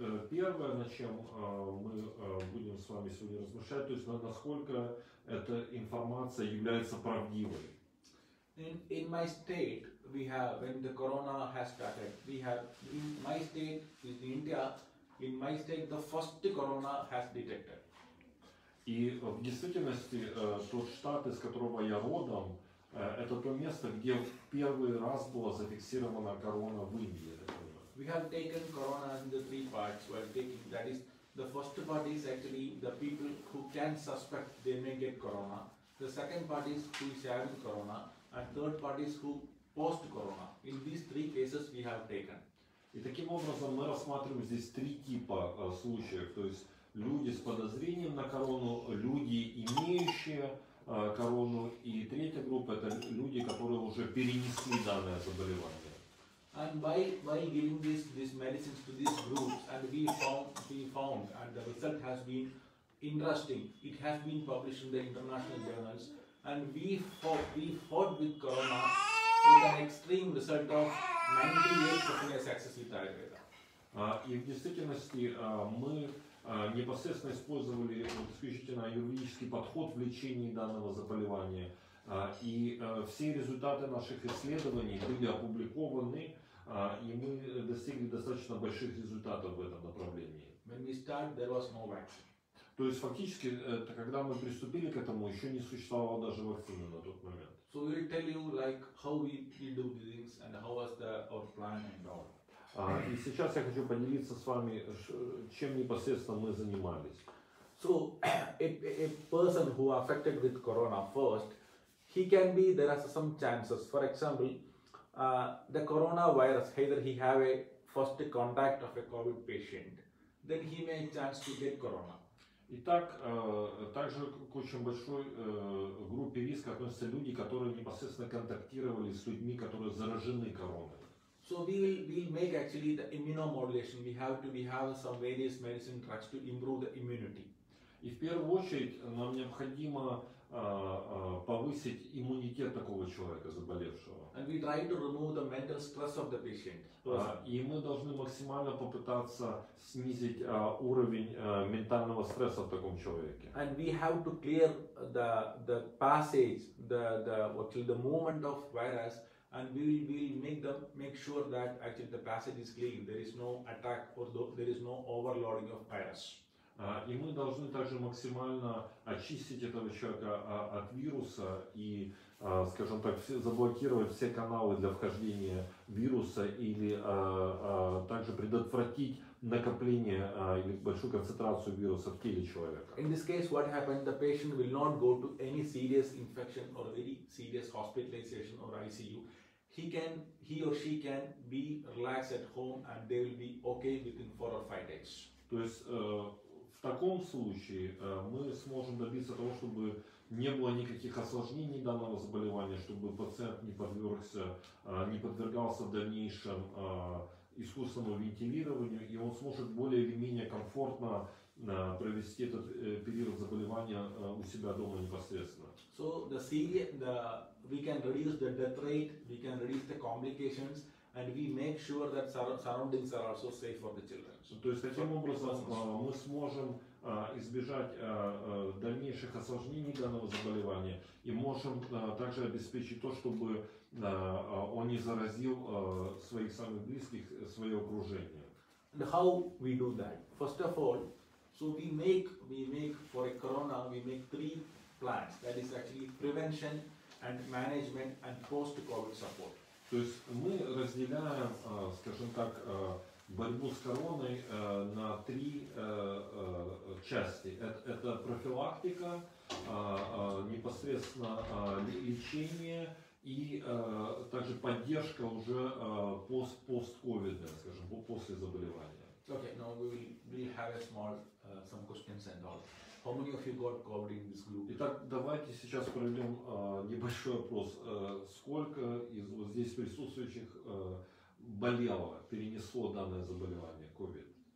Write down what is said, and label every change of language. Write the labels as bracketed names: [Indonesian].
[Russian] Первое, на чем мы будем с вами сегодня размышлять, то есть насколько эта информация является правдивой. [English] In my state, we have when the corona has started. We have in my state in India. In my state, the first corona has detected. [Russian] И в действительности тот штат, из которого я родом, это то место, где в первый раз была зафиксирована корона в Индии. [English] We have taken corona in the three parts. We are taking that is the first part is actually the people who can suspect they may get corona. The second part is who is having corona, and third part is who post corona. In these three cases, we have taken. [Russian] И таким образом мы рассматриваем здесь три типа случаев, то есть люди с подозрением на корону, люди, имеющие корону, и третья группа – это люди, которые уже перенесли данное заболевание. [English] And by giving these medicines to these groups, and we found, and the result has been interesting. It has been published in the international journals, and we fought with corona with an extreme result of 98% success with Ayurveda. [Russian] И в действительности мы непосредственно использовали исключительно юридический подход в лечении данного заболевания. И все результаты наших исследований были опубликованы, и мы достигли достаточно больших результатов в этом направлении. [English] When we started, there was no vaccine. [Russian] То есть фактически, когда мы приступили к этому, еще не существовало даже вакцины на тот момент. [English] So we'll tell you like how we do things and how was our plan and all. [Russian] И сейчас я хочу поделиться с вами, чем непосредственно мы занимались. [English] So, a person who affected with corona first, he can be, there are some chances. For example, the coronavirus, either he have a first contact of a COVID patient, then he may chance to get corona. [Russian] Итак, также к очень большой группе риска относятся люди, которые непосредственно контактировали с людьми, которые заражены короной. [English] So we will make actually the immunomodulation. We have some various medicine drugs to improve the immunity. [Russian] И в первую очередь нам необходимо повысить иммунитет такого человека заболевшего. [English] And we try to remove the mental stress of the patient. [Russian] И мы должны максимально попытаться снизить уровень ментального стресса в таком человеке. [English] And we have to clear the passage, the movement of virus. And we will make sure that actually the passage is clean. There is no attack or there is no overloading of virus. [Russian] И мы должны также максимально очистить этого человека от вируса и, скажем так, заблокировать все каналы для вхождения вируса или также предотвратить накопление или большую концентрацию вируса в теле человека. [English] In this case, what happened? The patient will not go to any serious infection or very serious hospitalization or ICU. He or she can be relaxed at home and they will be okay within 4 or 5 days. [Russian] То есть в таком случае мы сможем добиться того, чтобы не было никаких осложнений данного заболевания, чтобы пациент не подвергался в дальнейшем искусственному вентилированию, и он сможет более или менее комфортно провести этот период заболевания у себя дома непосредственно. [English] So we can reduce the death rate, we can reduce the complications, and we make sure that surroundings are also safe for the children. [Russian] То есть таким образом мы сможем избежать дальнейших осложнений данного заболевания и можем также обеспечить то, чтобы он не заразил своих самых близких, свое окружение. [English] And how we do that? First of all, so we make for a corona, we make three plans. That is actually prevention and management and post-COVID support. [Russian] То есть мы разделяем, скажем так, борьбу с короной на три части. Это профилактика, непосредственно лечение и также поддержка уже пост-ковида, скажем, после заболевания. [English] Okay, now we have a small some questions and all. How many of you got COVID in this group? [Russian] Итак, давайте сейчас проведем небольшой опрос. Сколько из вот здесь присутствующих болело, перенесло данное заболевание COVID?